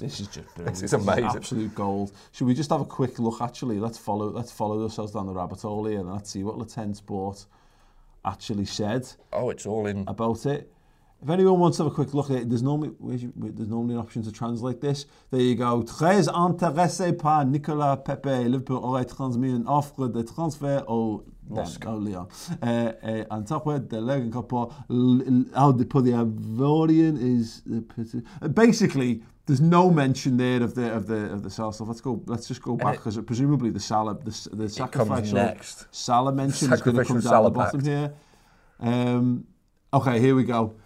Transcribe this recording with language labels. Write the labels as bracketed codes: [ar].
[en] This is just brilliant. This is amazing. This is absolute gold. Should we just have a quick look, actually? Let's follow ourselves down the rabbit hole here, and let's see what Le Ten Sport actually said. Oh, it's all in. About it. If anyone wants to have a quick look at it, there's normally an option to translate this. There you go. [fr] Très intéressé par Nicolas Pepe. Liverpool aurait transmis une offre de transfert au Lyon. [en] And top word, the Logan Cup. The Ivorian is basically. There's no mention there of the Salah stuff. Let's just go back because presumably the sacrifice next. Salah mention is going to come down the bottom here. Okay, here we go.